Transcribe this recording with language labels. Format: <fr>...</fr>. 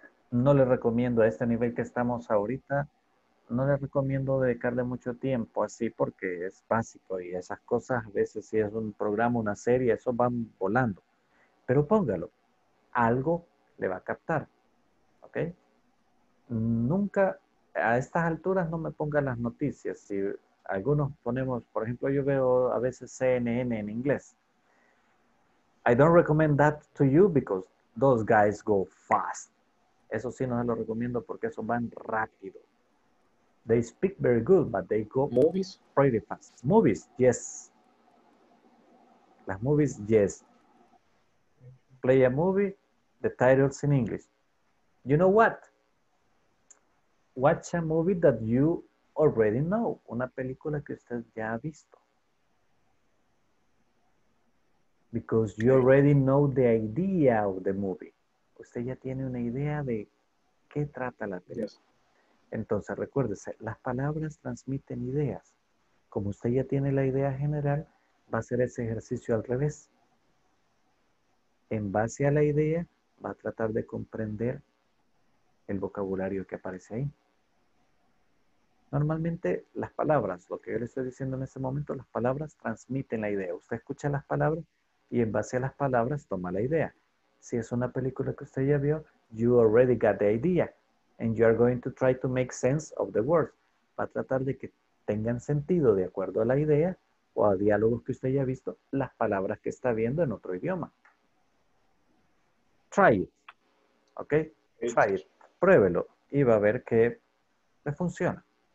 <es>No le recomiendo a este nivel que estamos ahorita, no le recomiendo dedicarle mucho tiempo así porque es básico y esas cosas, a veces si es un programa, una serie, eso van volando. Pero póngalo. algo le va a captar. ¿Ok? Nunca, a estas alturas, no me ponga las noticias. Si algunos ponemos, por ejemplo, yo veo a veces CNN en inglés.</es> <en>I don't recommend that to you because those guys go fast.</en> <es>Eso sí no se lo recomiendo porque eso van rápido.</es> <en>They speak very good, but they go movies pretty fast. Movies, yes. Las movies, yes. Play a movie, the titles in English. You know what? Watch a movie that you already know.</en> <es>Una película que usted ya ha visto.</es> <en>Because you already know the idea of the movie.</en> <es>Usted ya tiene una idea de qué trata la película. Yes. Entonces, recuérdese, las palabras transmiten ideas. Como usted ya tiene la idea general, va a hacer ese ejercicio al revés. En base a la idea, va a tratar de comprender el vocabulario que aparece ahí. Normalmente, las palabras, lo que yo le estoy diciendo en este momento, las palabras transmiten la idea. Usted escucha las palabras y en base a las palabras toma la idea. Si es una película que usted ya vio,</es> <en>you already got the idea. And you are going to try to make sense of the words.</en> <es>Va a tratar de que tengan sentido de acuerdo a la idea o a diálogos que usted ya ha visto, las palabras que está viendo en otro idioma.</es> <en>Try it.</en> <es>¿Ok? Try it. Pruébelo y va a ver que le funciona.</es>